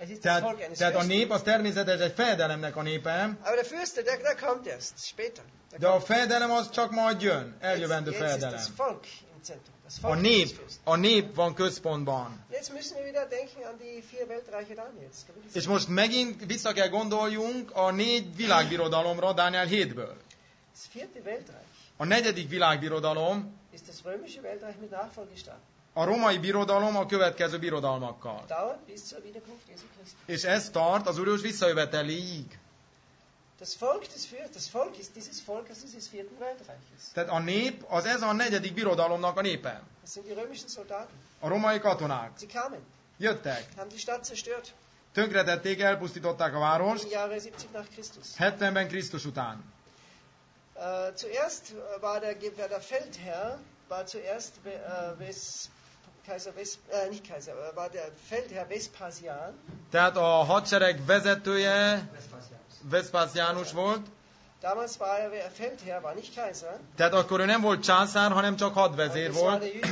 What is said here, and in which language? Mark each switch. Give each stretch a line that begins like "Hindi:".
Hungarian: Tehát a nép az természetes egy fejedelemnek a népe.
German: Aber der Fürste, der kommt erst später.
Hungarian: De a fejedelem az csak majd jön, eljövendő fejedelem.
German: Jetzt ist das Volk im Zentrum.
Hungarian: A nép van központban.
German: Jetzt müssen wir wieder denken an die vier Weltreiche Daniels.
Hungarian: És most megint vissza kell gondoljunk a négy világbirodalomra Dániel 7-ből.
German: Das vierte Weltreich.
Hungarian: A negyedik világbirodalom.
German: Ist das römische Weltreich mit Nachfolgestaat.
Hungarian: A római birodalom a következő birodalmakkal.
German: Dauert bis zur Wiederkunft Jesu Christi.
Hungarian: És ez tart az Úrjós visszajöveteléig.
German: Das Volk des Fürst, das Volk ist dieses Volk, das ist des vierten Weltreiches.
Hungarian: Tehát a nép, az ez a negyedik birodalomnak a népe.
German: Das sind die römischen Soldaten.
Hungarian: A romai katonák.
German: Sie kamen.
Hungarian: Jöttek.
German: Haben die Stadt zerstört.
Hungarian: Tönkretették, elpusztították a várost.
German: Im Jahre 70 nach Christus.
Hungarian: 70-ben Krisztus után.
German: Zuerst war der Feldherr, war zuerst Feldherr Vespasian.
Hungarian: Tehát a hadsereg vezetője. Vespasianus volt.
German: Damals war er Feldherr, war nicht Kaiser.
Hungarian: Tehát akkor ő nem volt császár, hanem csak hadvezér volt.